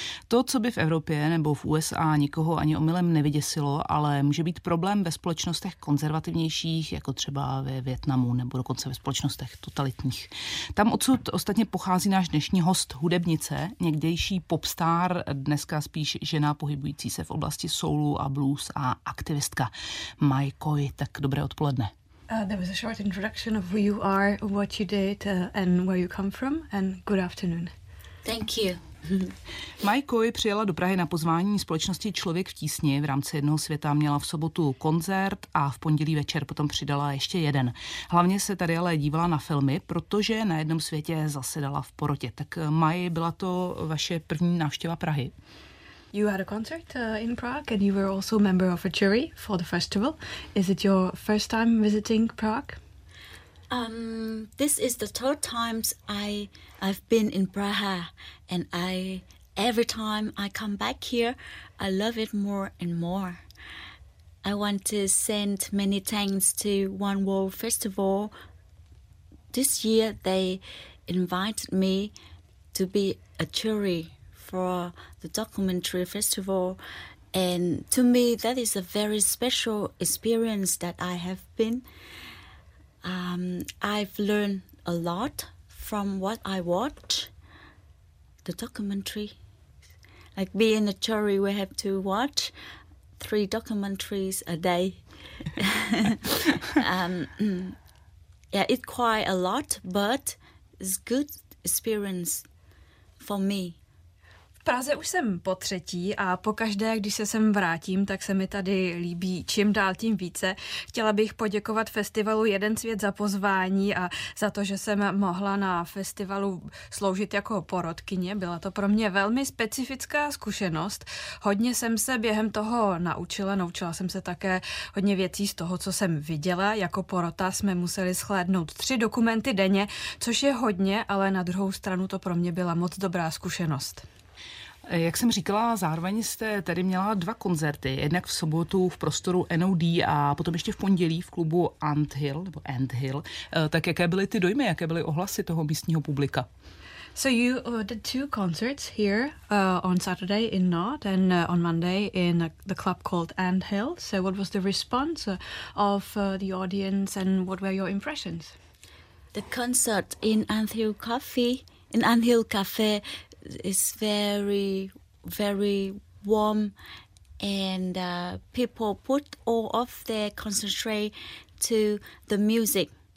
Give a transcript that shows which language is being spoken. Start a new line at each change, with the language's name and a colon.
Czech: To, co by v Evropě nebo v USA nikoho ani omylem nevyděsilo, ale může být problém ve společnostech konzervativnějších, jako třeba ve Vietnamu nebo dokonce ve společnostech totalitních. Tam odsud ostatně pochází náš dnešní host, hudebnice, někdejší popstar, dneska spíš žena pohybující se v oblasti soulu a blues a aktivistka. Mai Coi, tak dobré odpoledne.
English: There was a short introduction of who you are, what you did and where you come from, and good afternoon. Thank you.
Czech: Mai Coi přijela do Prahy na pozvání společnosti Člověk v tísni. V rámci jednoho světa měla v sobotu koncert a v pondělí večer potom přidala ještě jeden. Hlavně se tady ale dívala na filmy, protože na jednom světě zasedala v porotě. Tak Mai, byla to vaše první návštěva Prahy?
English: You had a concert in Prague and you were also a member of a jury for the festival. Is it your first time visiting Prague? This is the third time I've been in Praha, and every time I come back here, I love it more and more. I want to send many thanks to One World Festival. This year they invited me to be a jury for the documentary festival, and to me that is a very special experience that I have been. I've learned a lot from what I watch the documentary. Like being a jury, we have to watch 3 documentaries a day. it's quite a lot, but it's good experience for me.
Czech: V Praze už jsem po třetí a pokaždé, když se sem vrátím, tak se mi tady líbí čím dál tím více. Chtěla bych poděkovat festivalu Jeden svět za pozvání a za to, že jsem mohla na festivalu sloužit jako porotkyně. Byla to pro mě velmi specifická zkušenost. Hodně jsem se během toho naučila. Naučila jsem se také hodně věcí z toho, co jsem viděla. Jako porota jsme museli shlédnout 3 dokumenty denně, což je hodně, ale na druhou stranu to pro mě byla moc dobrá zkušenost. Jak jsem říkala, zároveň jste tady měla 2 koncerty. Jednak v sobotu v prostoru NOD a potom ještě v pondělí v klubu Ant Hill. Tak jaké byly ty dojmy, jaké byly ohlasy toho místního publika?
English: So you did 2 concerts here on Saturday in NOD and on Monday in the club called Ant Hill. So what was the response of the audience and what were your impressions? The concert in Ant Hill Coffee, in Ant Hill Cafe, it's very, very warm, and people put all of their concentrate to the music.